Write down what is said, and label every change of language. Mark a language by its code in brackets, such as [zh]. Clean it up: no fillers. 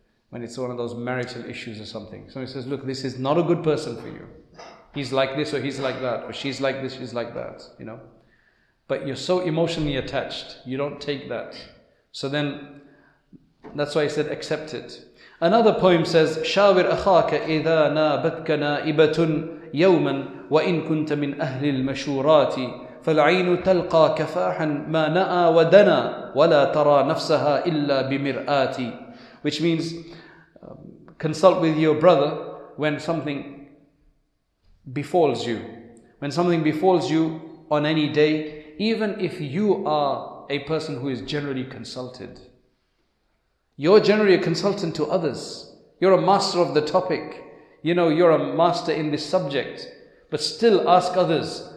[en] When it's one of those marital issues or something. Somebody says, look, this is not a good person for you. He's like this or he's like that, or she's like this, she's like that, you know. But you're so emotionally attached, you don't take that. So then, that's why I said accept it. [ar] Another poem says, شَاوِرْ أَخَاكَ إِذَا نَابَتْكَ نَائِبَةٌ يَوْمًا وَإِنْ كُنْتَ مِنْ أَهْلِ الْمَشُورَاتِ فَالْعَيْنُ تَلْقَى كَفَاحًا مَا نَأَى وَدَنَى وَلَا تَرَى نَفْسَهَا إِلَّا بِمِرْآتِ, [en] which means, consult with your brother when something befalls you. When something befalls you on any day, even if you are a person who is generally consulted. You're generally a consultant to others. You're a master of the topic. You know, you're a master in this subject. But still ask others.